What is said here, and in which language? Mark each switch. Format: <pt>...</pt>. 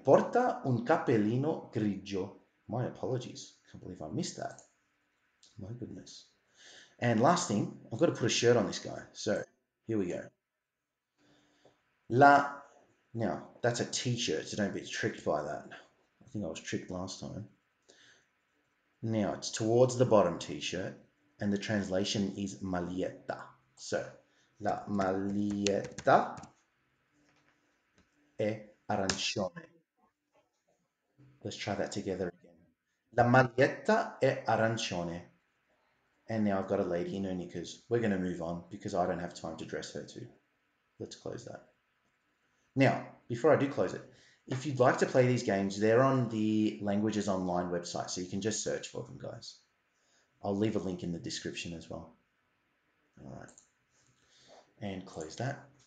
<it>Porta un cappellino grigio.</it> <en>My apologies. Can't believe I missed that. My goodness. And last thing, I've got to put a shirt on this guy. So here we go. Now, that's a t-shirt, so don't be tricked by that. I think I was tricked last time. Now, it's towards the bottom t-shirt, and the translation is maglietta.</en> <it>So, la maglietta è arancione.</it> <en>Let's try that together again.</en> <it>La maglietta è arancione.</it> <en>And now I've got a lady in her knickers. We're going to move on because I don't have time to dress her too. Let's close that. Now, before I do close it, if you'd like to play these games, they're on the Languages Online website, so you can just search for them, guys. I'll leave a link in the description as well. All right. And close that.</en>